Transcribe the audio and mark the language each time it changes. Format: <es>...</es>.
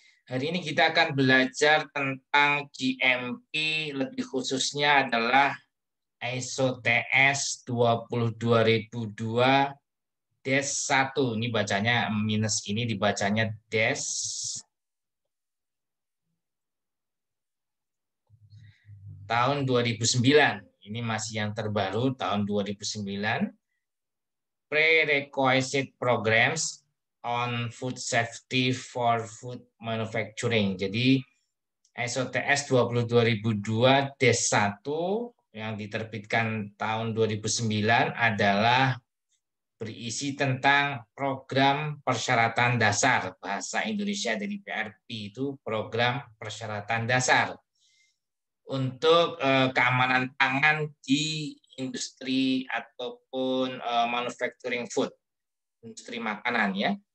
<id>Hari ini kita akan belajar tentang GMP, lebih khususnya adalah ISO TS 22002-1. Ini bacanya minus, ini dibacanya dash. Tahun 2009. Ini masih yang terbaru, tahun 2009.</id> <en>Prerequisite programs on food safety for food manufacturing.</en> <id>Jadi ISO TS 22002-1 yang diterbitkan tahun 2009 adalah berisi tentang program persyaratan dasar. Bahasa Indonesia dari PRP itu program persyaratan dasar untuk keamanan pangan di industri ataupun manufacturing food, industri makanan ya.</id>